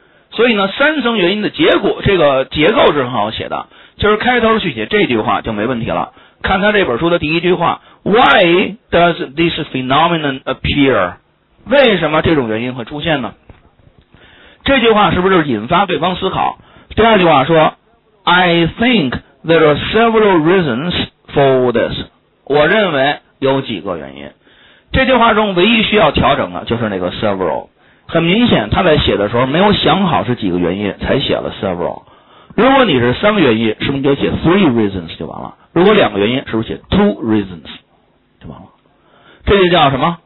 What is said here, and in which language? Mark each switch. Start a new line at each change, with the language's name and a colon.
Chinese: 所以呢三层原因的结果这个结构是很好写的，就是开头去写这句话就没问题了。看他这本书的第一句话，
English: Why does this phenomenon appear？
Chinese: 为什么这种原因会出现呢？这句话是不是引发对方思考？
English: 第二句话说 I think there are several reasons for this，
Chinese: 我认为有几个原因。这句话中唯一需要调整的就是那个 several， 很明显他在写的时候没有想好是几个原因才写了 several。如果你是三个原因是不是就写
English: three reasons
Chinese: 就完了，如果两个原因是不是写
English: two reasons
Chinese: 就完了。这就叫什么？